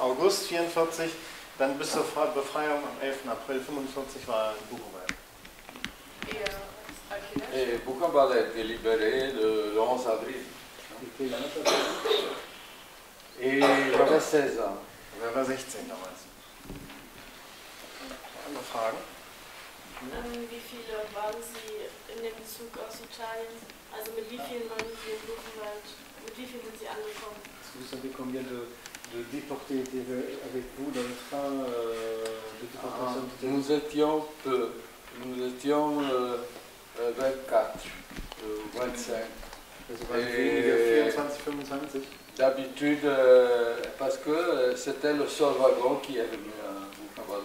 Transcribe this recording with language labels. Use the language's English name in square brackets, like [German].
[German] August 44 dann bis zur Befreiung am 11. April 45 war Buchenwald. [French] Et Buchenwald a été libéré le 11 avril. Et j'avais 16 ans. J'avais 16 [German] damals. Andere Fragen? Wie viele waren Sie in dem Zug aus Italien? Also mit wie vielen waren Sie in Buchenwald? Mit wie vielen sind Sie angekommen? [French] Vous savez combien de déportés étaient avec vous dans le train de déportation de Nous étions peu. Nous étions 24, 25. D'habitude, parce que c'était le seul wagon qui est venu à Buchenwald.